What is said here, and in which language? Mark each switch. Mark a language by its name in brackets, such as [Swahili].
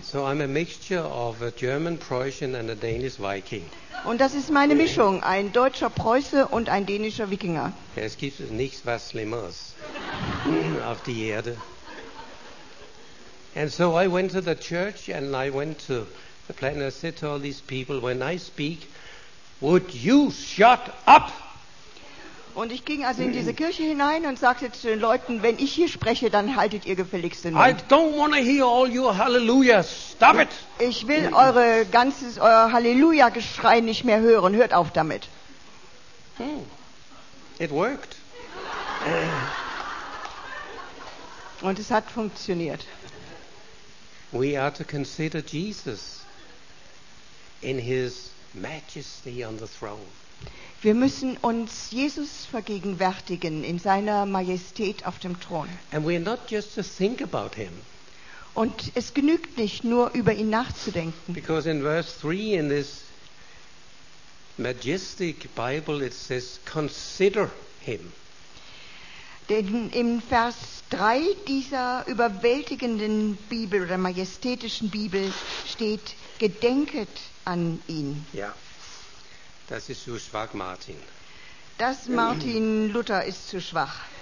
[English] So I'm a mixture of a German Prussian and a Danish Viking. [German] Und das ist meine Mischung, ein deutscher Preuße und ein dänischer Wikinger. Ja, es gibt nichts was Schlimmeres auf die Erde. [English] And so I went to the church and I went to the plan and I said to all these people, when I speak, would you shut up? [German] Und ich ging also in diese Kirche hinein und sagte zu den Leuten, wenn ich hier spreche, dann haltet ihr gefälligst den Mund. [English] I don't want to hear all your hallelujah. Stop it. [German] Ich will euer Halleluja Geschrei nicht mehr hören. Hört auf damit. [English] It worked. [German] Und es hat funktioniert. [English] We are to consider Jesus in his majesty on the throne. [German] Wir müssen uns Jesus vergegenwärtigen in seiner Majestät auf dem Thron. [English] And we're not just to think about him. [German] Und es genügt nicht, nur über ihn nachzudenken. [English] Because in verse 3 in this majestic Bible it says, consider him. [German] Denn im Vers 3 dieser überwältigenden Bibel oder majestätischen Bibel steht, gedenket an ihn. Ja. Das ist zu schwach, Martin. Das Martin Luther ist zu schwach.